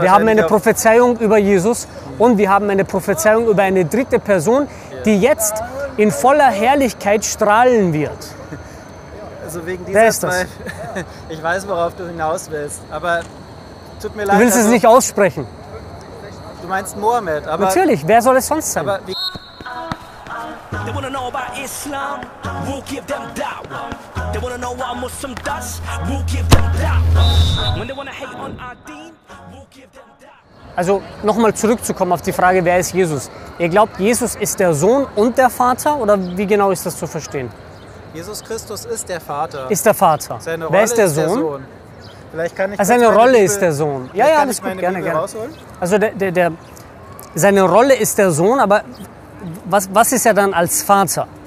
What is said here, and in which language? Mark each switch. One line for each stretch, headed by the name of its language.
German: wir haben eine Prophezeiung über Jesus und wir haben eine Prophezeiung über eine dritte Person, die jetzt in voller Herrlichkeit strahlen wird. Also wegen dieser ich weiß, worauf du hinaus willst, aber tut mir leid. Du willst es nicht aussprechen. Du meinst Mohammed, aber... Natürlich, wer soll es sonst sein? Aber wie
English: They wanna know about Islam, we'll give them da'wah. They wanna know what a Muslim does, we'll give them da'wah. When they wanna hate on our deen, we'll give them da'wah.
German: Also nochmal zurückzukommen auf die Frage, wer ist Jesus? Ihr glaubt, Jesus ist der Sohn und der Vater oder wie genau ist das zu verstehen? Jesus Christus ist der Vater. Ist der Vater. Seine Rolle wer ist der Sohn? Ist der Sohn. Vielleicht kann ich also seine Rolle Bibel, ist der Sohn. Ja, ja, alles gut, gerne. Also der seine Rolle ist der Sohn, aber was ist er dann als Vater?